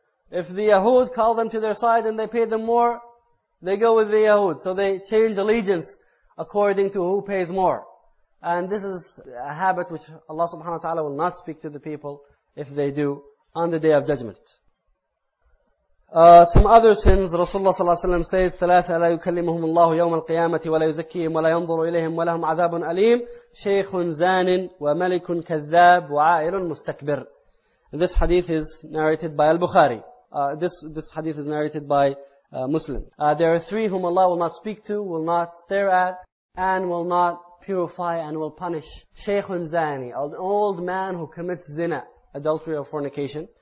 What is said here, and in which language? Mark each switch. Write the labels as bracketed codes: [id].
[en] If the Yahud call them to their side and they pay them more, they go with the Yahud. So they change allegiance according to who pays more. And this is a habit which Allah subhanahu wa ta'ala will not speak to the people if they do on the Day of Judgment. Some other sins, Rasulullah sallallahu alayhi wa sallam says, [ar] ثَلَاثَ لَا يُكَلِّمُهُمُ اللَّهُ يَوْمَ الْقِيَامَةِ وَلَا يُزَكِّيهِمْ وَلَا يَنْظُرُ إِلَيْهِمْ وَلَهُمْ عَذَابٌ أَلِيمٌ شَيْخٌ زَانٍ وَمَلِكٌ كَذَّابٌ وَعَائِلٌ مُسْتَكْبِرٌ. [en] This hadith is narrated by Al-Bukhari. This hadith is narrated by Muslim. There are three whom Allah will not speak to, will not stare at, and will not purify and will punish. Shaykhun zani, an old man who commits zina, adultery or fornication.